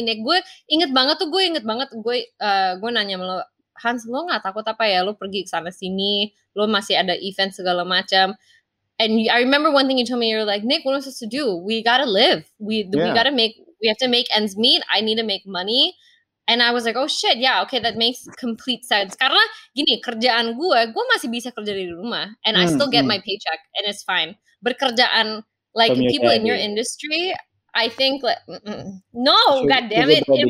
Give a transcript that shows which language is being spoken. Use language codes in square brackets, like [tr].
[id] Nek gue inget banget gue gue nanya sama lo, Hans, lo gak takut apa ya, lo pergi sana sini, lo masih ada event segala macam. [en] And I remember one thing you told me, you were like, Nick, what am I supposed to do? We gotta live. We have to make ends meet. I need to make money. And I was like, oh shit, yeah, okay, that makes complete sense. [id] Karena gini, kerjaan gue masih bisa kerja dari rumah. [en] And I still get my paycheck, and it's fine. Berkerjaan, like, from people in your industry, I think, like, no, goddammit.